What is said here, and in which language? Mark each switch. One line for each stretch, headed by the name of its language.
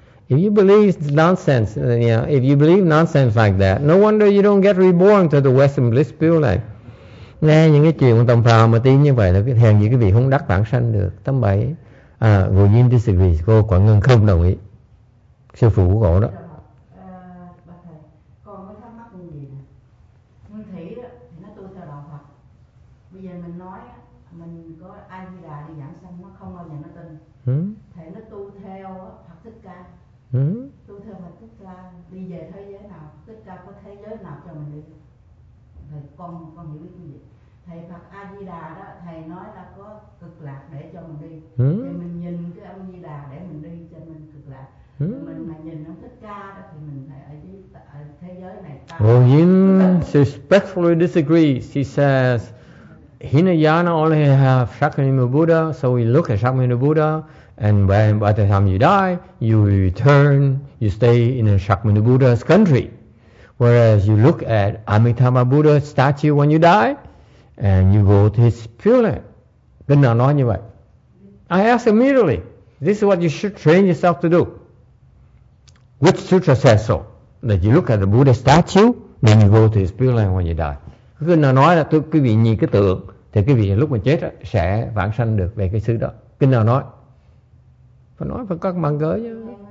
English: If you believe nonsense, then, you know, if you believe nonsense like that, no wonder you don't get reborn to the Western Bliss Pure Life.
Vietnamese: Nghe những cái chuyện tầm phào mà tin như vậy là cái hèn gì cái vị không đắc vãng sanh được. Tâm bảy, Ngụy Nhiên disagrees. Cô Quảng Ngân không đồng ý. Sư phụ của cổ đó. Con hiểu biết như vậy. Thầy Phật A Di Đà đó, thầy nói là có cực lạc để cho mình đi. mình nhìn cái ông Di Đà để mình đi cho mình cực lạc. Mình mà nhìn ông Thích Ca đó thì mình phải ở dưới ở thế giới này.
English: Well, Yin respectfully disagrees. He says Hinayana only have Shakyamuni Buddha, so we look at Shakyamuni Buddha, and when by the time you die, you return, you stay in a Shakyamuni Buddha's country. Whereas you look at Amitabha Buddha statue when you die, and you go to his pillar. Then I know anyway. I ask immediately, this is what you should train yourself to do. Which sutra says so? That you look at the Buddha statue, then you go to his pillar when you die.
Vietnamese: Cứ nói là tôi, quý vị nhìn cái tượng thì quý vị lúc mà chết đó, sẽ vãng sanh được về cái xứ đó. Kinh nào nói? Phải nói phải có cái mạng giới chứ.